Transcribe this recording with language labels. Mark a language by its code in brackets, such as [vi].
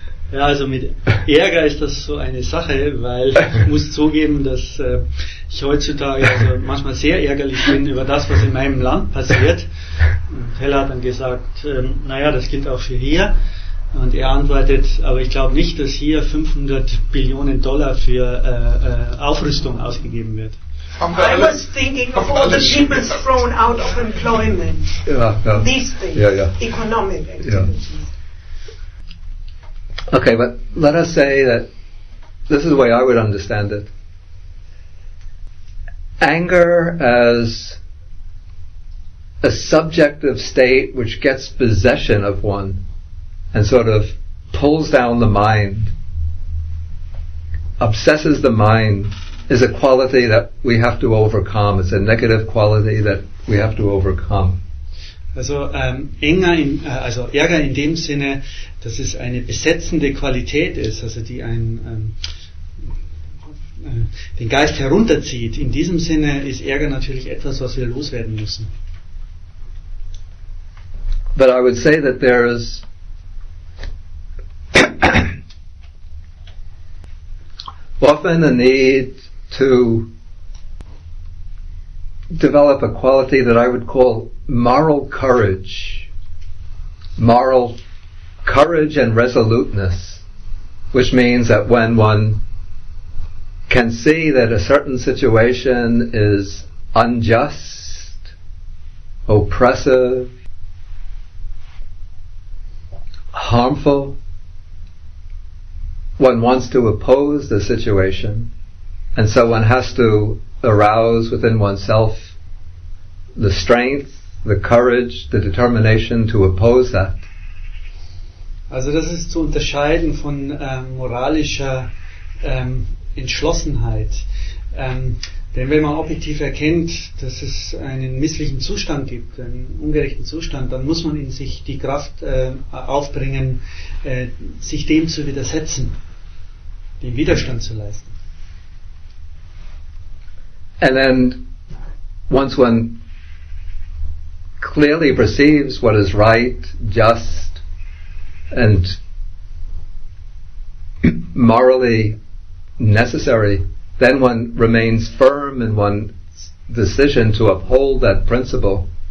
[de] Ja, also mit Ärger ist das so eine Sache, weil ich muss zugeben, dass ich heutzutage also manchmal sehr ärgerlich bin über das, was in meinem Land passiert. Und Hella hat dann gesagt, naja, das gilt auch für hier. Und er antwortet, aber ich glaube nicht, dass hier $500 billion für Aufrüstung ausgegeben wird. [en] I was thinking of all the people thrown out of employment. These things, economic activities. Okay, but let us say that this is the way I would understand it. anger as a subjective state which gets possession of one and sort of pulls down the mind, obsesses the mind, is a quality that we have to overcome. It's a negative quality that we have to overcome. [de] Also Ärger in dem Sinne, dass es eine besetzende Qualität ist, also die einen den Geist herunterzieht. In diesem Sinne ist Ärger natürlich etwas, was wir loswerden müssen. [en] But I would say that there is often a need to develop a quality that I would call moral courage. Moral courage and resoluteness, which means that when one can see that a certain situation is unjust, oppressive, harmful, one wants to oppose the situation, and so one has to arouse within oneself the strength, the courage, the determination to oppose that. [de] Also das ist zu unterscheiden von moralischer Entschlossenheit. Denn wenn man objektiv erkennt, dass es einen misslichen Zustand gibt, einen ungerechten Zustand, dann muss man in sich die Kraft aufbringen, sich dem zu widersetzen, den Widerstand zu leisten. [en] And then, once one clearly perceives what is right, just, and morally necessary, then one remains firm in one's decision to uphold that principle.